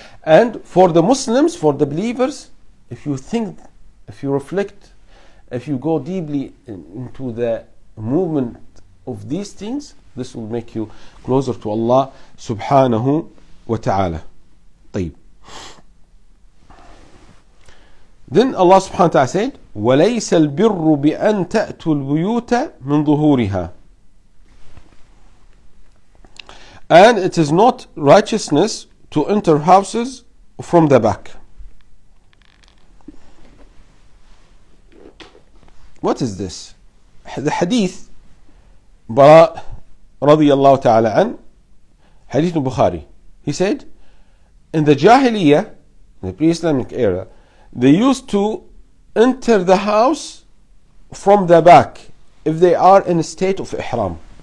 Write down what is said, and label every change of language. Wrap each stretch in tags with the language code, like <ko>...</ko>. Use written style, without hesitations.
<en>And for the Muslims, for the believers, if you think, if you reflect, if you go deeply into the movement of these things, this will make you closer to Allah subhanahu wa ta'ala.</en> <ar>طيب.</ar> <en>Then Allah subhanahu wa ta'ala said,</en> <ar>وَلَيْسَ الْبِرُّ بِأَن تَأْتُوا الْبُيُوتَ مِنْ ظُهُورِهَا.</ar> <en>And it is not righteousness to enter houses from the back. What is this? The hadith, Bara radiyallahu ta'ala an, hadith Bukhari, he said, in the Jahiliyyah, in the pre-Islamic era, they used to enter the house from the back if they are in a state of ihram.</en>